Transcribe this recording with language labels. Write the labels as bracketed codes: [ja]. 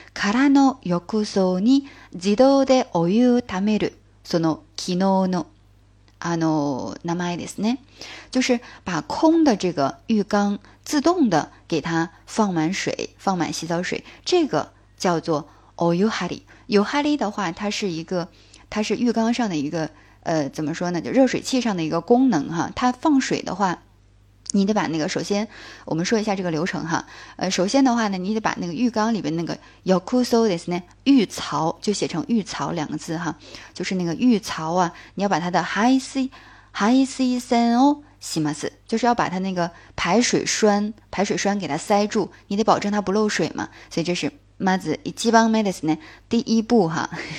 [ja] からの浴槽に自動でお湯をためる。その昨日の名前ですね。 [zh] 就是把空的这个浴缸自动的给它放满水，放满洗澡水，这个叫做 oyuhari。 oyuhari 的话，它是一个，它是浴缸上的一个怎么说呢？就热水器上的一个功能哈。它放水的话，你得把那个，首先我们说一下这个流程哈。首先的话呢，你得把那个浴缸里面那个 yokuso [ja] ですね， [zh] 浴槽，就写成浴槽两个字哈，就是那个浴槽啊，你要把它的 [ja] haisen o shimasu， [zh] 就是要把它那个排水栓给它塞住，你得保证它不漏水嘛。所以这是 [ja] まず一番目ですね， [zh] 第一步哈。